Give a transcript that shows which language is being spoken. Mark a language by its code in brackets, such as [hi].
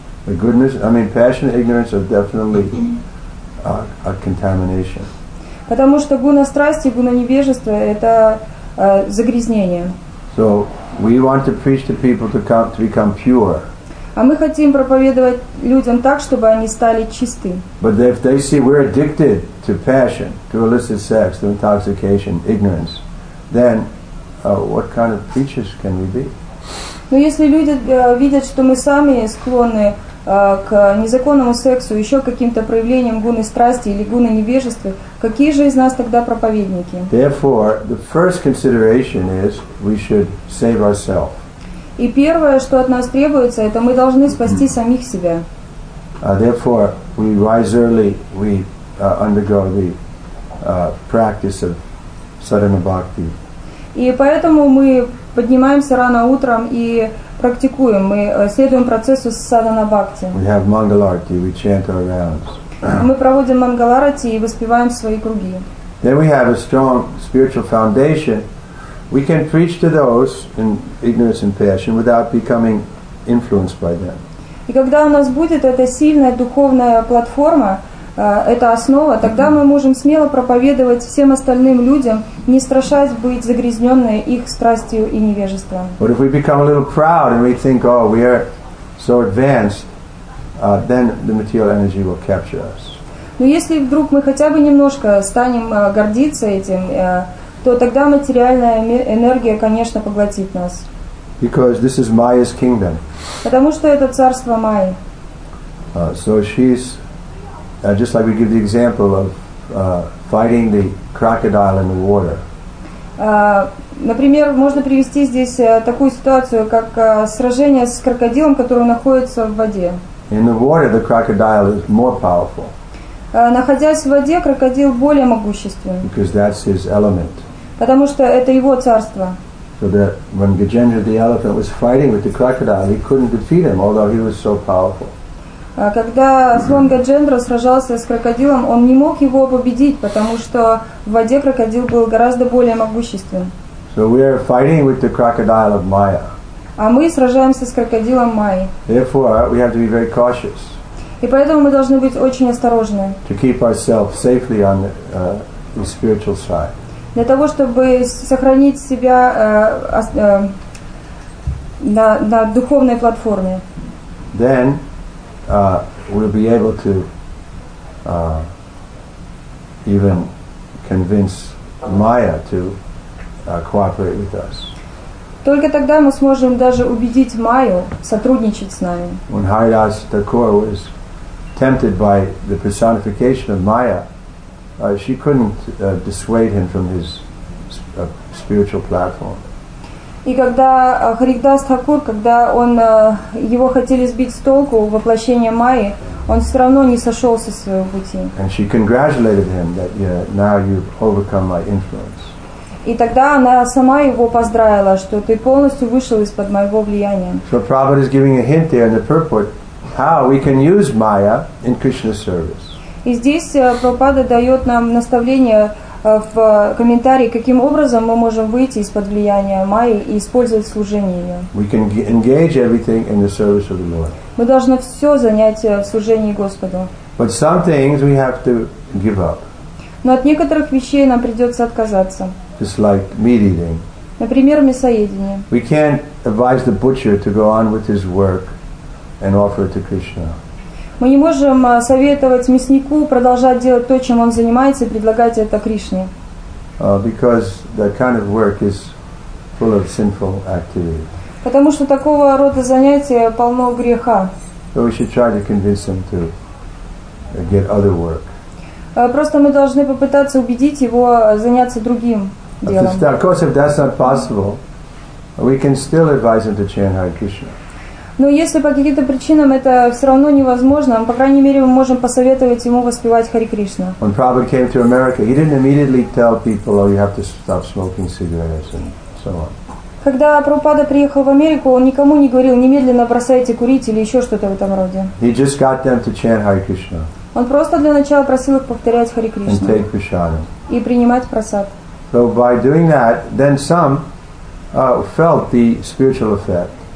[en] The goodness, I mean, passion and ignorance are definitely a contamination. [ru] Потому что гуна страсти, гуна невежества — это загрязнение. [en] So we want to preach to people to come to become pure. [ru] А мы хотим проповедовать людям так, чтобы они стали чисты. [en] But if they see we're addicted to passion, to illicit sex, to intoxication, ignorance, then what kind of preachers can we be? [ru] Но если люди видят, что мы сами склонны к незаконному сексу, еще каким-то проявлениям гуны страсти или гуны невежества, какие же из нас тогда проповедники? [en] Therefore, the first consideration is we should save ourselves. [ru] И первое, что от нас требуется, это мы должны спасти самих себя. [en] Therefore, we rise early, we undergo the practice of sadhana bhakti. [ru] И поэтому мы поднимаемся рано утром и практикуем, мы следуем процессу садхана бхакти. [en] We have mangalarti, we chant our rounds. [ru] Мы проводим мангаларати и воспеваем свои круги. [en] Then we have a strong spiritual foundation. We can preach to those in ignorance and passion without becoming influenced by them. [ru] И когда у нас будет эта сильная духовная платформа, это основа, тогда мы можем смело проповедовать всем остальным людям, не страшась быть загрязненной их страстью и невежеством. [en] But if we become a little proud and we think, oh, we are so advanced, then the material energy will capture us. [ru] Но если вдруг мы хотя бы немножко станем гордиться этим, то тогда материальная энергия, конечно, поглотит нас. [en] Because this is Maya's kingdom. [ru] Потому что это царство Майи. [en] So she's just like we give the example of fighting the crocodile in the water. [ru] Например, можно привести здесь такую ситуацию, как сражение с крокодилом, который находится в воде. [en] In the water, the crocodile is more powerful. [ru] Находясь в воде, крокодил более могущественен. [en] Because that's his element. [ru] Потому что это его царство. [en] So that when Gajendra the elephant was fighting with the crocodile, he couldn't defeat him, although he was so powerful. [ru] Когда слон Гаджендра сражался с крокодилом, он не мог его победить, потому что в воде крокодил был гораздо более могуществен. [en] So we are fighting with the crocodile of Maya. [ru] А мы сражаемся с крокодилом Майи. [en] Therefore, we have to be very cautious. [ru] И поэтому мы должны быть очень осторожны. [en] To keep ourselves safely on the spiritual side. [ru] Для того, чтобы сохранить себя на духовной платформе. [en] Then we'll be able to even convince Maya to cooperate with us. [ru] Только тогда мы сможем даже убедить Майю сотрудничать с нами. [en] When Haridas Thakur was tempted by the personification of Maya, she couldn't dissuade him from his spiritual platform. [ru] И когда Харидас Тхакур, когда он, его хотели сбить с толку воплощение Майи, он все равно не сошел со своего пути. [en] And she congratulated him that now you've overcome my influence. [ru] И тогда она сама его поздравила, что ты полностью вышел из-под моего влияния. [en] So Prabhupada is giving a hint there in the purport how we can use Maya in Krishna's service. [ru] И здесь Прабхупада дает нам наставление в комментарии, каким образом мы можем выйти из-под влияния Майи и использовать служение ее. [en] We can engage everything in the service of the Lord. [ru] Мы должны все занять в служении Господу. [en] But some things we have to give up. [ru] Но от некоторых вещей нам придется отказаться. [en] Just like meat eating. [ru] Например, мясоедение. [en] We can't advise the butcher to go on with his work and offer it to Krishna. [ru] Мы не можем советовать мяснику продолжать делать то, чем он занимается, и предлагать это Кришне. [en] Because that kind of work is full of sinful activity. [ru] Потому что такого рода занятия полно греха. [en] So we should try to convince him to get other work. [ru] Просто мы должны попытаться убедить его заняться другим делом. [en] Of course, if that's not possible, we can still advise him to chant Hare Krishna. [ru] Но если по каким-то причинам это все равно невозможно, по крайней мере, мы можем посоветовать ему воспевать Хари Кришна. [en] When Prabhupada came to America, he didn't immediately tell people, oh, you have to stop smoking cigarettes and so on. [ru] Когда Прабхупада приехал в Америку, он никому не говорил, немедленно бросайте курить или еще что-то в этом роде. [en] He just got them to chant Hare Krishna. [ru] Он просто для начала просил их повторять Хари Кришна. [en] And take prasadam. [ru] И принимать прасад. [en] So by doing that, then some felt the spiritual effect.